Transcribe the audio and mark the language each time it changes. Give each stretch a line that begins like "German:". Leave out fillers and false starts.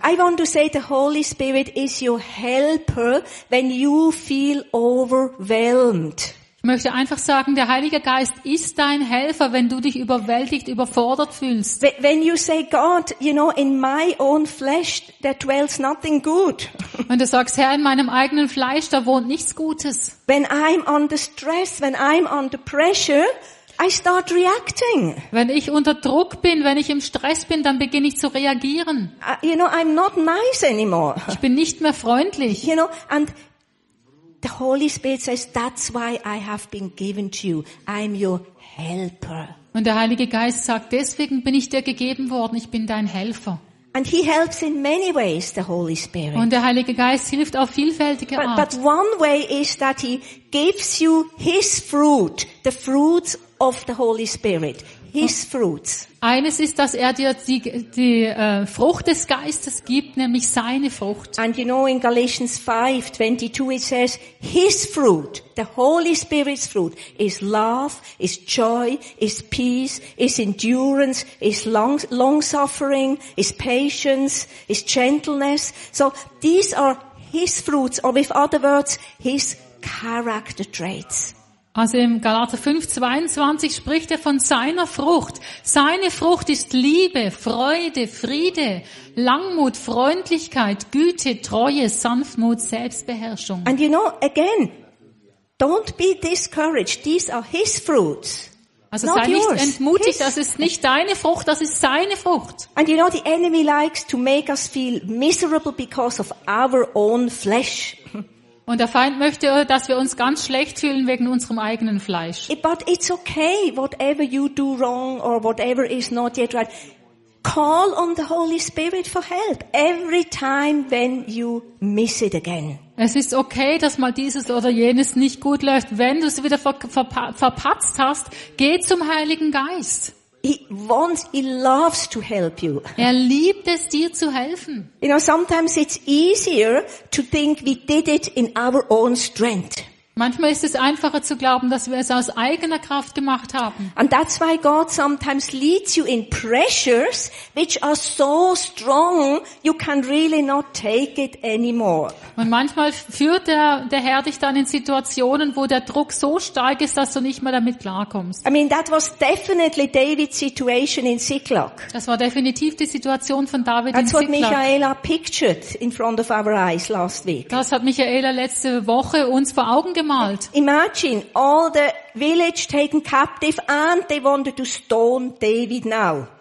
English: But I want to say the Holy Spirit is your helper when you feel overwhelmed.
German: Ich möchte einfach sagen, der Heilige Geist ist dein Helfer, wenn du dich überwältigt, überfordert fühlst.
English: When you say, God, you know, in my own flesh, there dwells nothing good.
German: Wenn du sagst, Herr, in meinem eigenen Fleisch, da wohnt nichts Gutes.
English: When I'm under stress, when I'm under pressure, I start reacting.
German: Wenn ich unter Druck bin, wenn ich im Stress bin, dann beginne ich zu reagieren.
English: You know, I'm not nice anymore.
German: Ich bin nicht mehr freundlich.
English: You know, and the Holy Spirit says, that's why I have been given to you. I'm your helper.
German: Und der Heilige Geist sagt, deswegen bin ich dir gegeben worden. Ich bin dein Helfer.
English: And he helps in many ways, the Holy Spirit.
German: Und der Heilige Geist hilft auf vielfältige Art.
English: But one way is that he gives you his fruit, the fruits of the Holy Spirit. His fruits.
German: Eines ist, dass er dir die Frucht des Geistes gibt, nämlich seine Frucht.
English: And you know in Galatians 5:22 it says his fruit, the Holy Spirit's fruit is love, is joy, is peace, is endurance, is long suffering, is patience, is gentleness. So these are his fruits or with other words his character traits.
German: Also im Galater 5:22 spricht er von seiner Frucht. Seine Frucht ist Liebe, Freude, Friede, Langmut, Freundlichkeit, Güte, Treue, Sanftmut, Selbstbeherrschung.
English: And you know, again, don't be discouraged. These are his fruits.
German: Also sei nicht entmutigt, das ist nicht deine Frucht, das ist seine Frucht.
English: And you know, the enemy likes to make us feel miserable because of our own flesh.
German: Und der Feind möchte, dass wir uns ganz schlecht fühlen wegen unserem eigenen Fleisch.
English: But it's okay, whatever you do wrong or whatever is not yet right. Call on the Holy Spirit for help every time when you miss it again.
German: Es ist okay, dass mal dieses oder jenes nicht gut läuft. Wenn du es wieder verpatzt hast, geh zum Heiligen Geist.
English: He loves to help you.
German: Er liebt es, dir zu helfen.
English: You know, sometimes it's easier to think we did it in our own strength.
German: Manchmal ist es einfacher zu glauben, dass wir es aus eigener Kraft gemacht haben.
English: And that's why God sometimes leads you in pressures which are so strong you can really not take it anymore.
German: Und manchmal führt der Herr dich dann in Situationen, wo der Druck so stark ist, dass du nicht mehr damit klarkommst.
English: I mean, that was definitely David's situation in Ziklag.
German: Das war definitiv die Situation von David in Ziklag.
English: That's what Michaela pictured in front of our eyes last week.
German: Das hat Michaela letzte Woche uns vor Augen gemalt.
English: Imagine all the village taken captive and they wanted to stone David now.